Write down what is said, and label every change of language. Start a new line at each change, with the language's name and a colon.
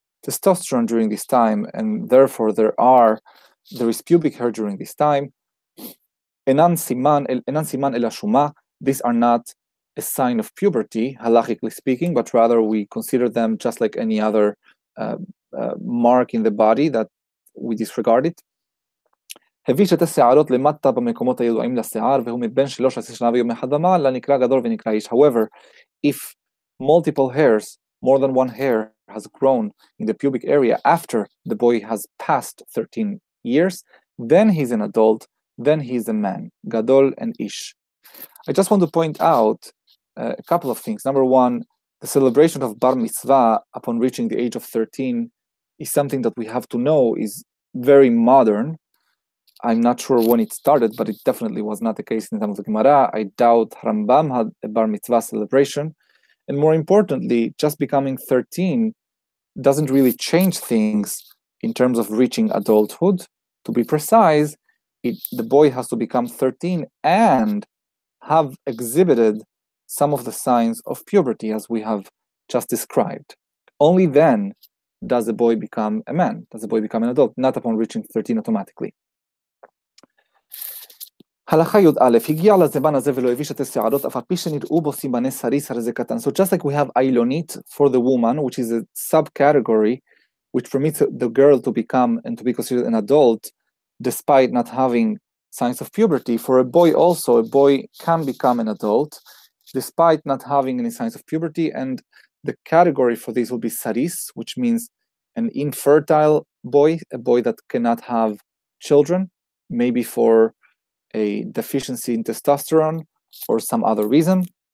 English: testosterone during this time, and therefore there is pubic hair during this time. These are not a sign of puberty, halachically speaking, but rather we consider them just like any other mark in the body that we disregard it.
Hebrew: הביא שתי שערות למטה במקומות הידועים לשיער, והוא מבין 13 שנה ויום אחד ומעלה, נקרא גדול ונקרא איש.
English: However, if multiple hairs, more than one hair, has grown in the pubic area after the boy has passed 13 years, then he's an adult, then he's a man. Gadol and Ish. I just want to point out a couple of things. Number one, the celebration of Bar Mitzvah upon reaching the age of 13 is something that we have to know is very modern. I'm not sure when it started, but it definitely was not the case in the time of the Gemara. I doubt Rambam had a Bar Mitzvah celebration. And more importantly, just becoming 13 doesn't really change things in terms of reaching adulthood. To be precise, the boy has to become 13 and have exhibited some of the signs of puberty, as we have just described. Only then does a boy become a man, does a boy become an adult, not upon reaching 13 automatically.
Hebrew: הלכה יוד א', הגיע לזמן הזה ולא הביא שתי שערות, אף הפי שנראו בו סימני סריס, הרי זה קטן.
English: So just like we have אילונית for the woman, which is a subcategory, which permits the girl to become and to be considered an adult, despite not having signs of puberty, for a boy also, a boy can become an adult, despite not having any signs of puberty, and the category for this will be saris, which means an infertile boy, a boy that cannot have children, maybe for a deficiency in testosterone or some other reason.